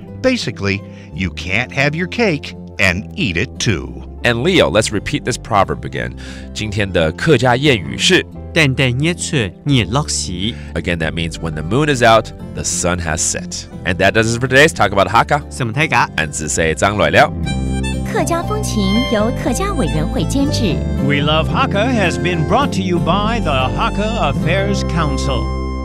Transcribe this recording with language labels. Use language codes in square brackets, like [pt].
[en] Basically, you can't have your cake. And eat it too. And Leo, let's repeat this proverb again. [zh] 今天的客家谚语是淡淡捏出日落时。 [en] Again, that means when the moon is out, the sun has set. And that does it for today's Talk About Hakka. [zh] 什么泰嘎？俺自说张来了。客家风情由客家委员会监制。 [en] We Love Hakka has been brought to you by the Hakka Affairs Council.